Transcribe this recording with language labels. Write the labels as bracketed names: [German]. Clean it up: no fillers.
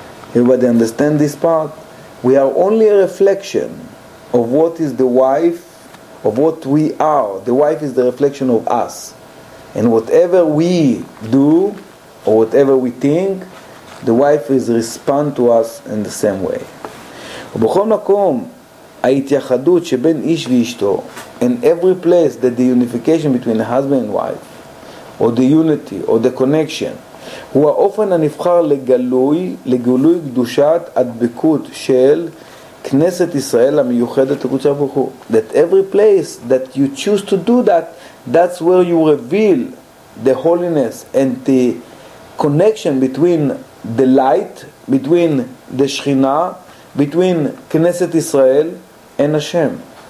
[English] Everybody understand this part? We are only a reflection of what is the wife, of what we are. The wife is the reflection of us. And whatever we do, or whatever we think, the wife is respond to us in the same way. [Hebrew] ובכל מקום, ההתייחדות שבין איש ואשתו, [English] in every place that the unification between husband and wife, or the unity, or the connection, [Hebrew] הוא האופן הנבחר לגלוי, לגלוי קדושת הדבקות של כנסת ישראל המיוחדת לקדוש ברוך הוא. [English] That every place that you choose to do that, that's where you reveal the holiness and the connection between the light, between the Shechina, between Knesset Israel and Hashem.